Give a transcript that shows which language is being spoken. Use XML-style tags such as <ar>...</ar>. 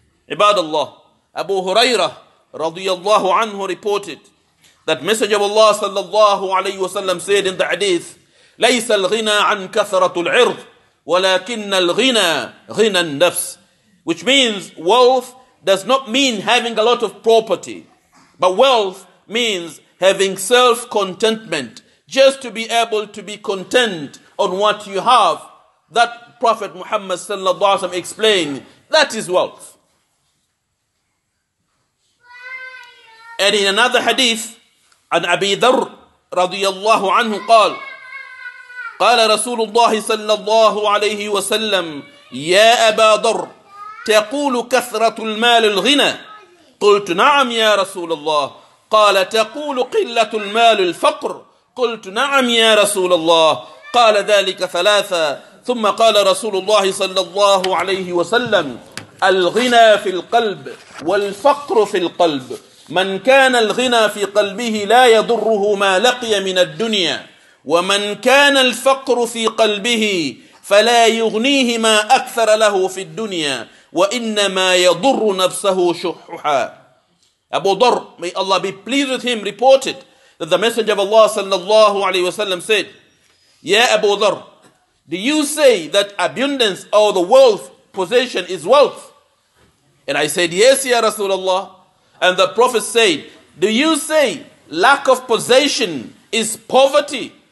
<en>Ibadallah, Abu Hurairah radiyallahu anhu reported that Messenger of Allah sallallahu alayhi wa sallam said in the hadith,</en> <ar>لَيْسَ الْغِنَى عَنْ كَثَرَةُ الْعِرْضِ وَلَكِنَّ الْغِنَى غِنَى النَّفْسِ,</ar> <en>which means wealth does not mean having a lot of property, but wealth means having self-contentment, just to be able to be content on what you have. That Prophet Muhammad sallallahu alaihi wasallam explained, that is wealth. And in another hadith,</en> <ar>an Abi Dharr radiyallahu anhu qal, qala Rasulullah sallallahu alaihi wasallam, ya Aba Dharr, تقول كثرة المال الغنى قلت نعم يا رسول الله قال تقول قلة المال الفقر قلت نعم يا رسول الله قال ذلك ثلاثة ثم قال رسول الله صلى الله عليه وسلم الغنى في القلب والفقر في القلب من كان الغنى في قلبه لا يضره ما لقي من الدنيا ومن كان الفقر في قلبه فلا يغنيه ما أكثر له في الدنيا وَإِنَّمَا يَضُرُّ نَفْسَهُ شُحُّهَا.</ar> <en>Abu Dharr, may Allah be pleased with him, reported that the Messenger of Allah sallallahu alayhi wa sallam said, Ya Abu Dharr, do you say that abundance or the wealth possession is wealth? And I said, yes, Ya Rasulullah. And the Prophet said, do you say lack of possession is poverty?</en>